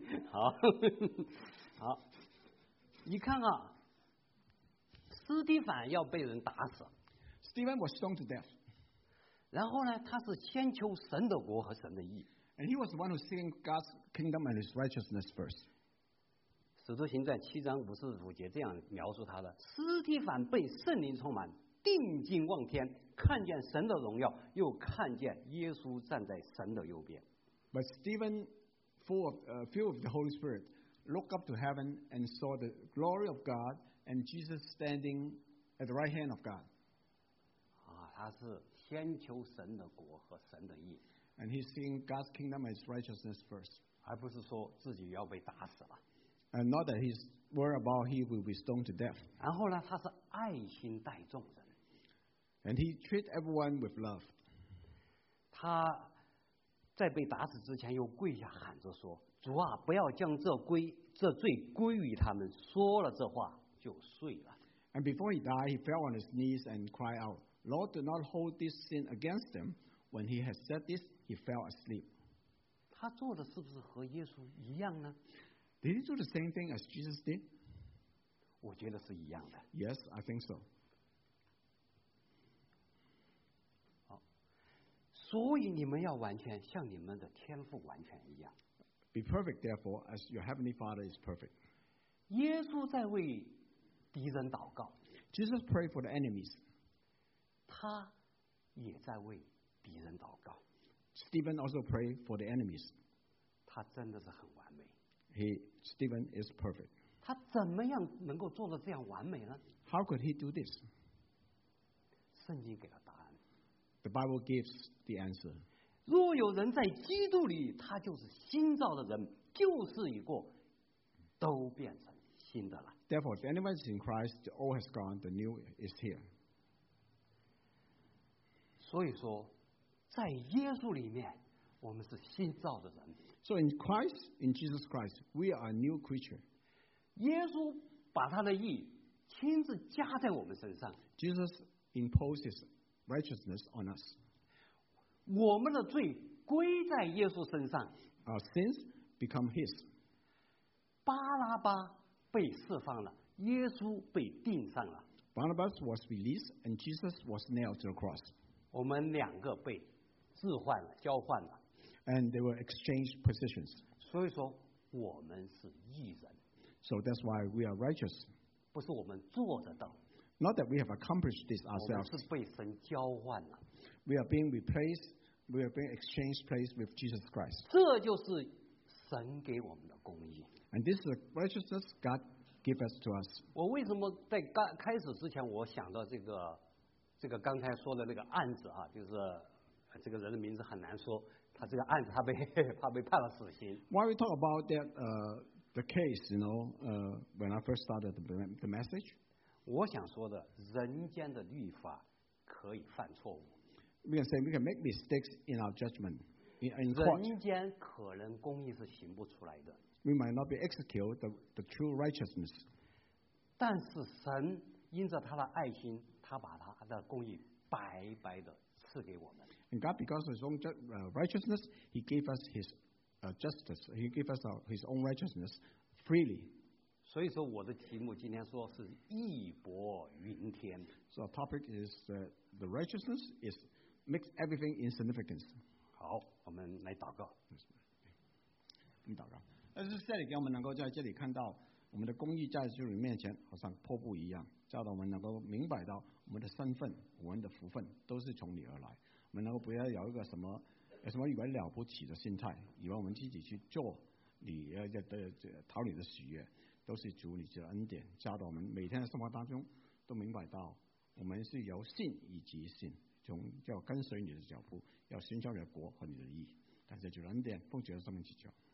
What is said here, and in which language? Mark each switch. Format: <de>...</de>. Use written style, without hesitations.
<zh>好，好，你看啊，斯蒂凡要被人打死。</zh> <en>Stephen was stoned to death.</en> <zh>然后呢，他是先求神的国和神的义。</zh> <en>And he was the one who seeking God's kingdom and His righteousness first.</en> <zh>使徒行传七章五十五节这样描述他的：斯蒂凡被圣灵充满，定睛望天，看见神的荣耀，又看见耶稣站在神的右边。</zh> <en>But Stephen, filled with the Holy Spirit, looked up to heaven and saw the glory of God and Jesus standing at the right hand of God.</en> <zh>啊，他是先求神的国和神的义。</zh> <en>And he's seeing God's kingdom and His righteousness first.</en> <zh>而不是说自己要被打死了。</zh> <en>And not that he's worried about he will be stoned to death.</en> <zh>然后呢，他是爱心待众人。</zh> <en>And he treats everyone with love.</en> <zh>他在被打死之前又跪下喊着说：“主啊，不要将这罪归于他们。” 说了这话就睡了。</zh> <en>And before he died, he fell on his knees and cried out, "Lord, do not hold this sin against them." When he had said this, he fell asleep.</en> <zh>他做的是不是和耶稣一样呢？</zh> <en>Did he do the same thing as Jesus did?</en> <zh>我觉得是一样的。</zh> <en>Yes, I think so.</en> <zh>好，所以你们要完全，像你们的天父完全一样。</zh> <en>Be perfect, therefore, as your heavenly Father is perfect.</en> <zh>耶稣在为敌人祷告。</zh> <en>Jesus prayed for the enemies.</en> <zh>他也在为敌人祷告。</zh> <en>Stephen also prayed for the enemies.</en> <zh>他真的是很完美。</zh> <en>Stephen is perfect.</en> <zh>他怎么样能够做得这样完美呢？</zh> <en>How could he do this?</en> <zh>圣经给了答案。</zh> <en>The Bible gives the answer.</en> <zh>若有人在基督里，他就是新造的人，旧事已过，都变成新的了。</zh> <en>Therefore, if anyone is in Christ, the old has gone, the new is here.</en> <zh>所以说，在耶稣里面，我们是新造的人。</zh> <en>So in Christ, in Jesus Christ, we are a new creature.</en> <zh>耶稣把他的义亲自加在我们身上。</zh> <en>Jesus imposed his righteousness on us.</en> <zh>我们的罪归在耶稣身上。</zh> <en>Our sins become his.</en> <zh>巴拉巴被释放了，耶稣被钉上了。</zh> <en>Barnabas was released and Jesus was nailed to the cross.</en> <zh>我们两个被置换了，交换了。</zh> <en>And they were exchanged positions.</en> <zh>所以说，我们是义人。</zh> <en>So that's why we are righteous.</en> <zh>不是我们做得到。</zh> <en>Not that we have accomplished this ourselves.</en> <zh>我们是被神交换了。</zh> <en>We are being replaced. We are being exchanged place with Jesus Christ.</en> <zh>这就是神给我们的公义。</zh> <en>And this is the righteousness God gave us to us.</en> <zh>我为什么在开始之前，我想到这个刚才说的那个案子啊，就是这个人的名字很难说。他这个案子他被判了死刑。</zh> <en>Why we talk about that the case, you know, when I first started the message?</en> <zh>我想说的，人间的律法可以犯错误。</zh> <en>We can say we can make mistakes in our judgment. In</en> <zh>人间可能公义是行不出来的。</zh> <en>We might not be execute the true righteousness.</en> <zh>但是神因着他的爱心，他把他的公义白白的赐给我们。</zh> <en>And God, because of His own righteousness, He gave us His justice. He gave us His own righteousness freely.</en> <zh>所以说，我的题目今天说是义薄云天。</zh> <en>So our topic is the righteousness is makes everything insignificant.</en> <zh>好，我们来祷告。我们祷告。但是这里给我们能够在这里看到，我们的公义在主人面前好像瀑布一样，叫到我们能够明白到我们的身份、我们的福分都是从你而来。我们能够不要有一个什么以为了不起的心态，以为我们自己去做你讨你的喜悦，都是主你的恩典教导我们每天的生活当中都明白到我们是由信以及信，从要跟随你的脚步，要寻求你的国和你的义。感谢主的恩典，奉主的圣名祈求，</zh>